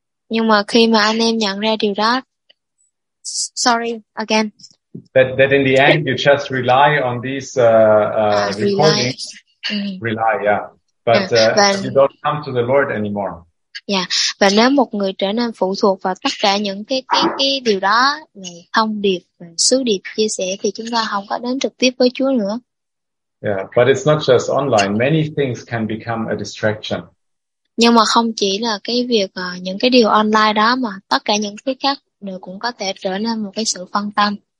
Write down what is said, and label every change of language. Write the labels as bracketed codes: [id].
[vi] Nhưng mà khi mà anh em nhận ra điều đó, [en] sorry again, That in the end, you just rely on these recordings. rely, Rely, yeah, but you don't come to the Lord anymore. [vi] và nếu một người trở nên phụ thuộc vào tất cả những cái điều đó, thông điệp, sứ điệp chia sẻ, thì chúng ta không có đến trực tiếp với Chúa nữa. [en] Yeah, but it's not just online. Many things can become a distraction. [vi] Nhưng mà không chỉ là cái việc những cái điều online đó, mà tất cả những cái khác đều cũng có thể trở nên một cái sự phân tâm.